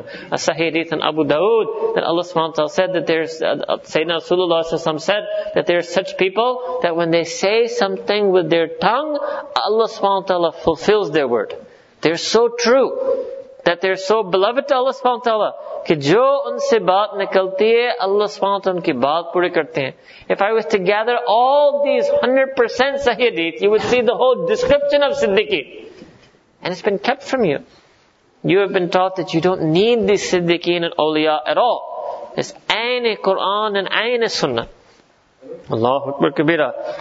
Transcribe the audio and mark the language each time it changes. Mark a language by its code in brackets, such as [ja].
[en] A sahih hadith in Abu Dawood, that Allah subhanahu wa ta'ala said that there's, Sayyidina Rasulullah sallallahu alaihi wasallam said that there are such people that when they say something with their tongue, Allah subhanahu wa ta'ala fulfills their word. They're so true. That they're so beloved to Allah subhanahu wa ta'ala. [ur] کہ جو ان سے بات نکلتی ہے، اللہ سبحانہ و تعالیٰ ان کی بات پوری کرتے ہے۔ [en] If I was to gather all these 100% sahih hadith, you would see the whole description of siddiqeen. And it's been kept from you. You have been taught that you don't need these siddiqeen and awliya at all. It's ayn-e-Quran and ayn-e-Sunnah. Allahu Akbar Kabira.